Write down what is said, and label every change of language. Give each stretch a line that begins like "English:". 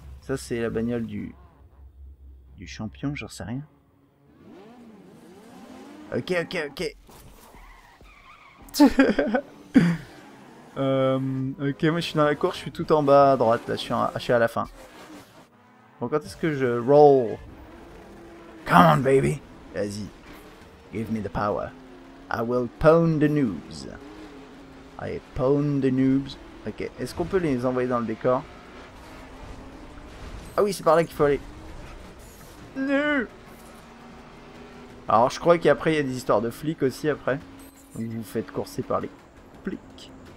French: Ça c'est la bagnole du champion. J'en sais rien. Ok, ok, ok. ok, moi je suis dans la course, je suis tout en bas à droite, là je suis à la fin. Bon, quand est-ce que je roll?
English: Come on baby,
French: vas-y,
English: give me the power. I will pwn the noobs. I pwn the noobs.
French: Ok, est-ce qu'on peut les envoyer dans le décor? Ah oui, c'est par là qu'il faut aller. No. Alors je crois qu'après il y a des histoires de flics aussi après. Vous vous faites courser par les flics.